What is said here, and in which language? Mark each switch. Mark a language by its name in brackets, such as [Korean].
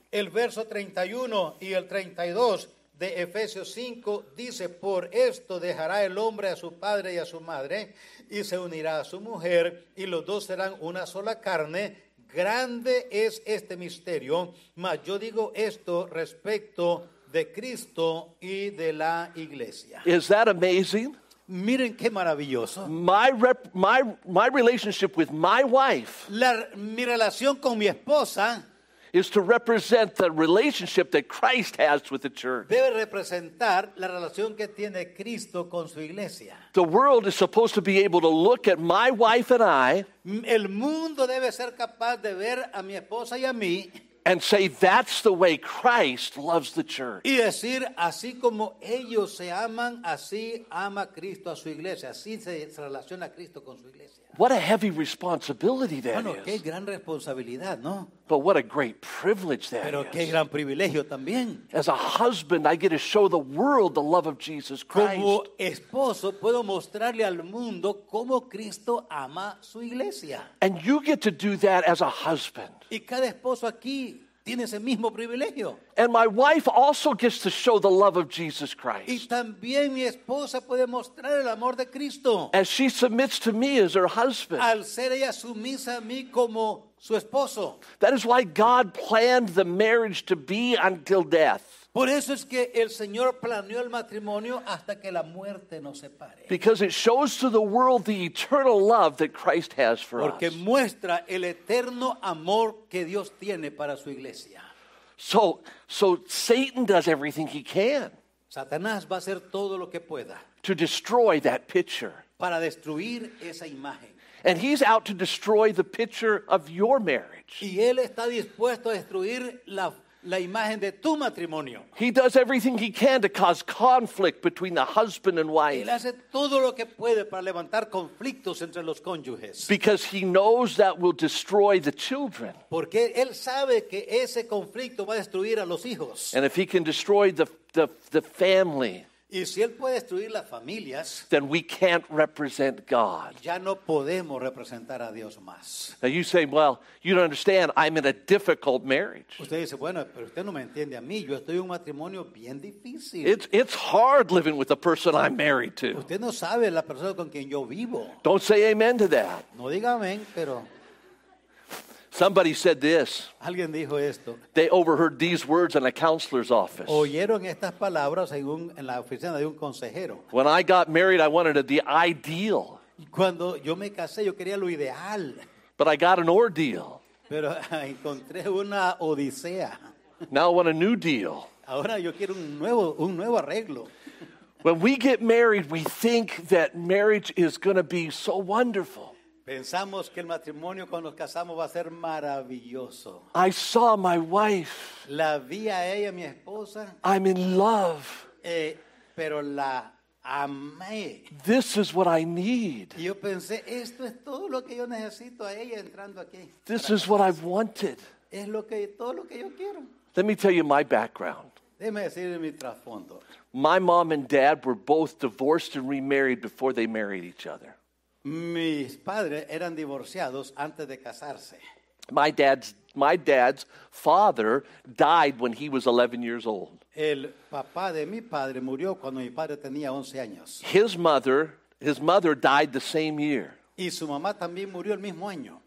[Spanish] El verso 31 y el 32 de Efesios 5 dice, por esto dejará el hombre a su padre y a su madre y se unirá a su mujer y los dos serán una sola carne. Grande es este misterio, mas yo digo esto respecto de Cristo y de la iglesia. [English] Is that amazing? [Spanish] Miren qué maravilloso. [English] My relationship with my wife. [Spanish] Mi relación con mi esposa [English] is to represent the relationship that Christ has with the church. [Spanish] Debe representar la relación que tiene Cristo con su iglesia. [English] The world is supposed to be able to look at my wife and I. [Spanish] El mundo debe ser capaz de ver a mi esposa y a mí. [English] And say that's the way Christ loves the church. [Spanish] Y decir así como ellos se aman, así ama Cristo a su iglesia, así se relaciona Cristo con su iglesia. [English] What a heavy responsibility that [Spanish] bueno, [English] is. [Spanish] Bueno, qué gran responsabilidad, ¿no? [English] But what a great privilege that [Spanish] pero [English] is. [Spanish] Pero qué gran privilegio también. [English] As a husband, I get to show the world the love of Jesus Christ. [Spanish] Como esposo, puedo mostrarle al mundo cómo Cristo ama su iglesia. [English] And you get to do that as a husband. [Spanish] Y cada esposo aquí tiene ese mismo privilegio. [English] And my wife also gets to show the love of Jesus Christ. [Spanish] Y también mi esposa puede mostrar el amor de Cristo. [English] As she submits to me as her husband. [Spanish] Al ser ella sumisa a mí como su esposo. [English] That is why God planned the marriage to be until death. [Spanish] Por eso es que el Señor planeó el matrimonio hasta que la muerte nos separe. [English] Because it shows to the world the eternal love that Christ has for us. [Spanish] Porque muestra el eterno amor que Dios tiene para su iglesia. [English] So Satan does everything he can. [Spanish] Satanás va a hacer todo lo que pueda. [English] To destroy that picture. [Spanish] Para destruir esa imagen. [English] And he's out to destroy the picture of your marriage. [Spanish] Y él está dispuesto a destruir la imagen de tu matrimonio. [English] He does everything he can to cause conflict between the husband and wife. [Spanish] Él hace todo lo que puede para levantar conflictos entre los cónyuges. [English] Because he knows that will destroy the children. [Spanish] Porque él sabe que ese conflicto va a destruir a los hijos. [English] And if he can destroy the family. [Spanish] Y si él puede destruir las familias, [English] then we can't represent God. [Spanish] Ya no podemos representar a Dios más. [English] Now you say, well, you don't understand. I'm in a difficult marriage. [Spanish] Usted dice, bueno, pero usted no me entiende a mí. Yo estoy en un matrimonio bien difícil. [English] It's hard living with the person I'm married to. [Spanish] Usted no sabe la persona con quien yo vivo. [English] Don't say amen to that. [Spanish] No diga amén, pero. [English] Somebody said this. [Spanish] Alguien dijo esto. [English] They overheard these words in a counselor's office. [Spanish] Oyeron estas palabras en la oficina de un consejero. [English] When I got married, I wanted the ideal. [Spanish] Cuando yo me casé, yo quería lo ideal. [English] But I got an ordeal. [Spanish] Pero encontré una odisea. [English] Now I want a new deal. [Spanish] Ahora yo quiero un nuevo arreglo. [English] When we get married, we think that marriage is going to be so wonderful. [Spanish] Pensamos que el matrimonio cuando nos casamos va a ser maravilloso. [English] I saw my wife. [Spanish] La vi a ella, mi esposa. [English] I'm in love. [Spanish] Pero la amé. [English] This is what I need. [Spanish] Yo pensé, esto es todo lo que yo necesito a ella entrando aquí. [English] This is what I've wanted. [Spanish] Es lo que, todo lo que yo quiero. [English] Let me tell you my background. [Spanish] Déjeme decirle mi trasfondo. [English] My mom and dad were both divorced and remarried before they married each other. [Spanish] Mis padres eran divorciados antes de casarse. [English] My dad's father died when he was 11 years old. [Spanish] El papá de mi padre murió cuando mi padre tenía 11 años. [English] His mother died the same year. [Spanish] Y su mamá también murió el mismo año.